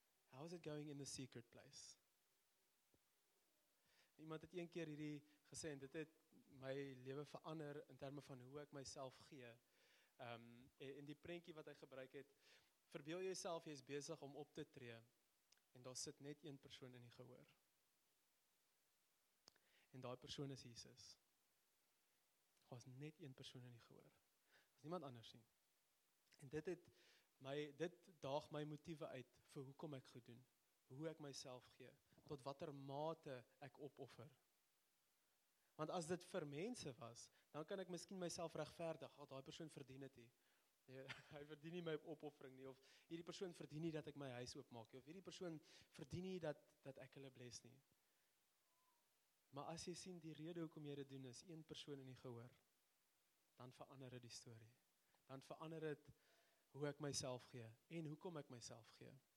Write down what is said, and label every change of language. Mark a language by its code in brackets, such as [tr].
[en] How is it going in the secret place? [af] Iemand het een keer hierdie gesê, en dit het my lewe verander in terme van hoe ek myself gee. In die prentjie wat hy gebruik het, verbeel jouself jy is besig om op te tree, en daar sit net een persoon in die gehoor. En daai persoon is Jesus. Daar was net een persoon in die gehoor. Niemand anders nie. En dit daag my motiewe uit vir hoekom ek goed doen, hoe ek myself gee, tot watter mate ek opoffer. Want as dit vir mense was, dan kan ek miskien myself regverdig, daai persoon verdien dit nie. Hy verdien nie my opoffering nie, of hierdie persoon verdien nie dat ek my huis oopmaak nie, of hierdie persoon verdien nie dat ek hulle bless nie. Maar as jy sien die rede hoekom jy dit doen is een persoon in die gehoor, dan verander dit die storie. dan verander het hoe ek myself gee en hoekom ek myself gee.